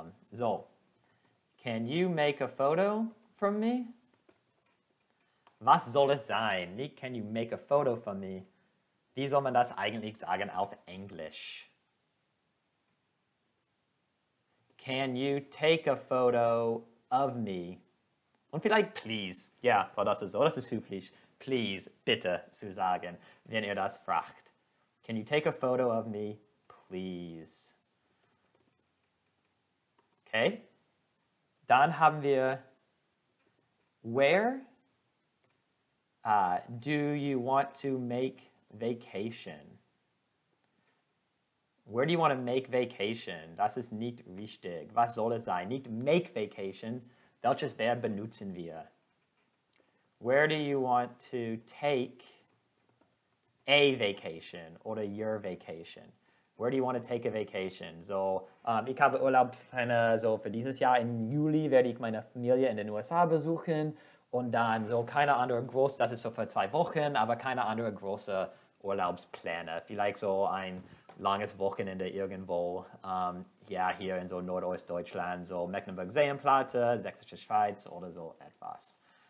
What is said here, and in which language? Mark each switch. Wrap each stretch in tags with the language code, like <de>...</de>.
<en>So, can you make a photo from me?</en> <de>Was soll es sein? Nicht,</de> <en>can you make a photo from me?</en> <de>Wie soll man das eigentlich sagen auf Englisch?</de> <en>Can you take a photo of me?</en> <de>Und vielleicht please. Ja, yeah, das ist so, das ist höflich. Please, bitte zu sagen, wenn ihr das fragt.</de> <en>Can you take a photo of me, please? Okay.</en> <de>Dann haben wir</de> <en>where do you want to make vacation? Where do you want to make vacation?</en> <de>Das ist nicht richtig. Was soll es sein? Nicht</de> <en>make vacation.</en> <de>Welches Verb benutzen wir?</de> <en>Where do you want to take a vacation oder your vacation? Where do you want to take a vacation?</en> <de>So, ich habe Urlaubspläne so für dieses Jahr. Im Juli werde ich meine Familie in den USA besuchen. Und dann so keine andere große, das ist so für 2 Wochen, aber keine andere große Urlaubspläne. Vielleicht so ein langes Wochenende irgendwo, ja, hier in so Nordostdeutschland, so Mecklenburg-Seenplatte, Sächsische Schweiz oder so etwas.</de>